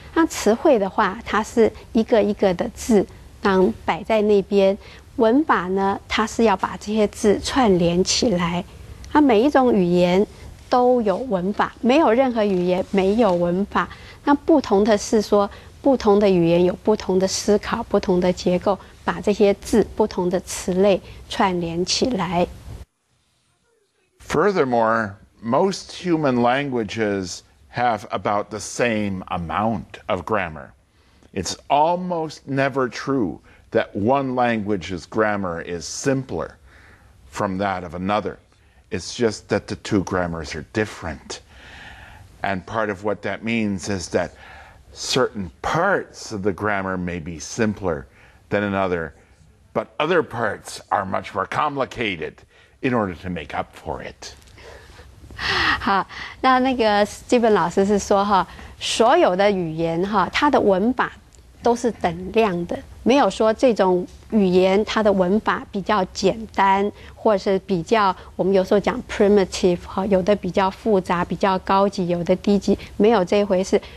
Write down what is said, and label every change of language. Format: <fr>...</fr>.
<zh>那词汇的话，它是一个一个的字摆在那边，文法呢，它是要把这些字串联起来。那每一种语言都有文法，没有任何语言没有文法。那不同的是说，不同的语言有不同的思考，不同的结构，把这些字不同的词类串联起来。</zh> <en>Furthermore, most human languages have about the same amount of grammar. It's almost never true that one language's grammar is simpler from that of another. It's just that the two grammars are different. And part of what that means is that certain parts of the grammar may be simpler than another, but other parts are much more complicated in order to make up for it.</en> <zh>好，那个 Steven 老师是说哈，所有的语言哈，它的文法都是等量的，没有说这种语言它的文法比较简单，或者是比较我们有时候讲 primitive， 有的比较复杂，比较高级，有的低级，没有这回事。</zh>